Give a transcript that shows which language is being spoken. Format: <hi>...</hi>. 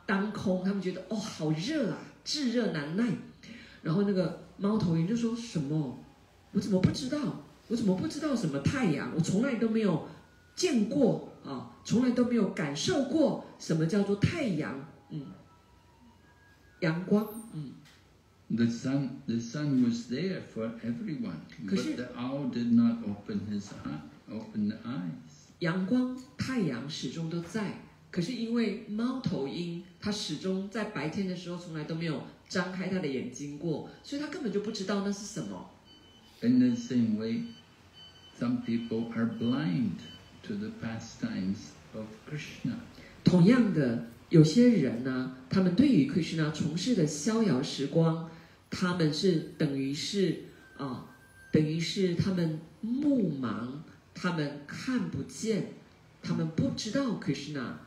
<zh>当空，他们觉得哦，好热啊，炙热难耐。然后那个猫头鹰就说什么：“我怎么不知道？我怎么不知道什么太阳？我从来都没有见过啊、从来都没有感受过什么叫做太阳，阳光，</zh> <en>The sun was there for everyone, but the owl did not open the eyes.</en> <zh>阳光、太阳始终都在。” 可是因为猫头鹰它始终在白天的时候从来都没有张开它的眼睛过，所以它根本就不知道那是什么。</zh> <en>In the same way, some people are blind to the pastimes of Krishna.</en> <zh>同样的，有些人呢，他们对于 Krishna 从事的逍遥时光，他们是等于是他们目盲，他们看不见，他们不知道 Krishna</zh>